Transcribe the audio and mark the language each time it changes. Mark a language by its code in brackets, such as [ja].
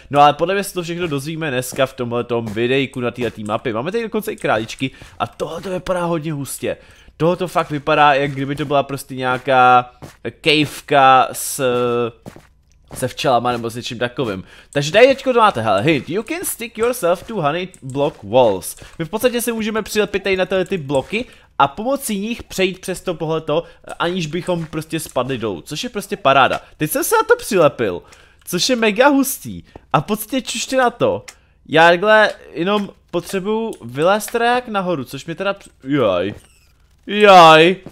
[cs] No ale podle mě se to všechno dozvíme dneska v tomhletom videjku na této mapě. Máme tady dokonce i králičky a tohle to vypadá hodně hustě. Tohoto fakt vypadá, jak kdyby to byla prostě nějaká kejvka se včelama nebo s něčím takovým. Takže tady teďko to máte, hele, hint. [en] You can stick yourself to honey block walls. [cs] My v podstatě se můžeme přilepit tady na tyhle ty bloky a pomocí nich přejít přes to pohleto, aniž bychom prostě spadli dolů, což je prostě paráda. Teď jsem se na to přilepil, což je mega hustý. A v podstatě čušte na to. Já takhle jenom potřebuju vylézt teda jak nahoru, což mi teda Jaj.